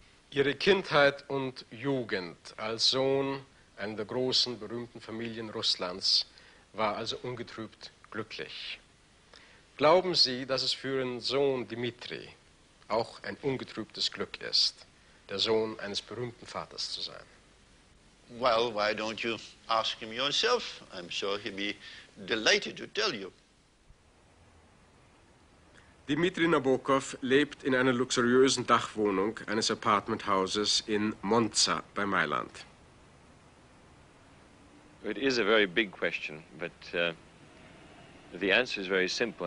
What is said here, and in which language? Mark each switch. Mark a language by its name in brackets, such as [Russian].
[German] Ihre Kindheit und Jugend als Sohn einer der großen, berühmten Familien Russlands war also ungetrübt glücklich. Glauben Sie, dass es für Ihren Sohn Dmitri auch ein ungetrübtes Glück ist, der Sohn eines berühmten Vaters zu sein? [English] Well, why don't you ask him yourself? I'm sure he'd be delighted to tell you. [German] Dmitri Nabokov lebt in einer luxuriösen Dachwohnung eines Apartmenthauses in Monza bei Mailand. [English] It is a very big question, but the answer is very simple.